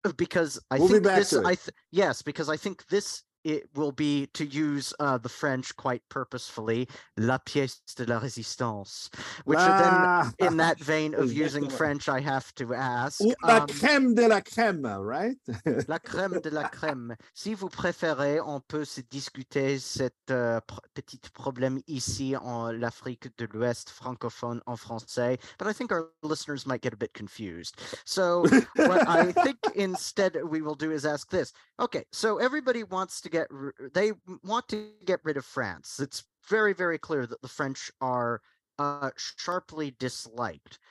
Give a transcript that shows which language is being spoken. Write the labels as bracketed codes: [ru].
[en] Because I we'll think be back this, to it. I th- yes, because I think this, it will be, to use the French quite purposefully, [fr] la pièce de la résistance, [en] which then, in that vein of using French, I have to ask. [fr] La crème de la crème, [en] right? [fr] La crème de la crème. Si vous préférez, on peut se discuter cette petite problème ici en l'Afrique de l'Ouest francophone en français. [en] But I think our listeners might get a bit confused. So what I think instead we will do is ask this. Okay, so everybody wants to get, they want to get rid of France. It's very, very clear that the French are sharply disliked.